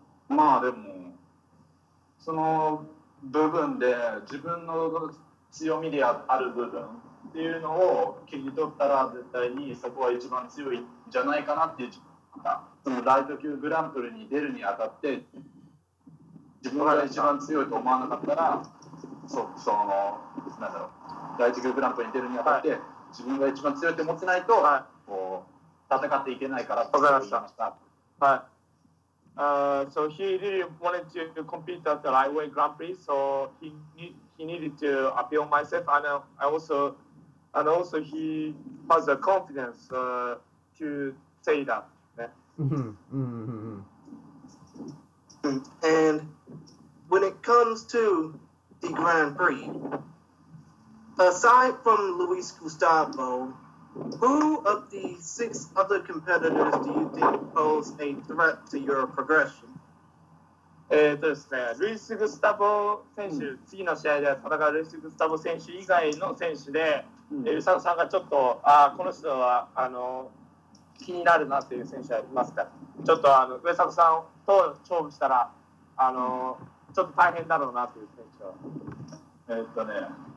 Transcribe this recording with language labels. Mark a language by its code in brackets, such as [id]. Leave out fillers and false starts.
[ja] う、まあでもその部分で自分の強みである部分っていうのを切り取ったら絶対にそこは一番強いんじゃないかなっていう、そのライト級グランプリに出るにあたって自分が一番強いと思わなかったら、そのなんだろう、ライト級グランプリに出るにあたって、はい、自分が一番強いと思ってないと、はい、こう戦っていけないからと言いました。はい。 [en] So he really wanted to compete at the lightweight Grand Prix, so he needed to appeal myself, and also he has the confidence to say that. And when it comes to the Grand Prix, aside from Luis Gustavo, who of the six other competitors do you think pose a threat to your progression? [ja] ですね、ルイス・グスタボ選手、次の試合で戦うルイス・グスタボ選手以外の選手で、うん、宇佐野さんがちょっと、あ、この人は気になるなという選手はいますか？ちょっと宇佐野さんと勝負したら、ちょっと大変だろうなという選手は。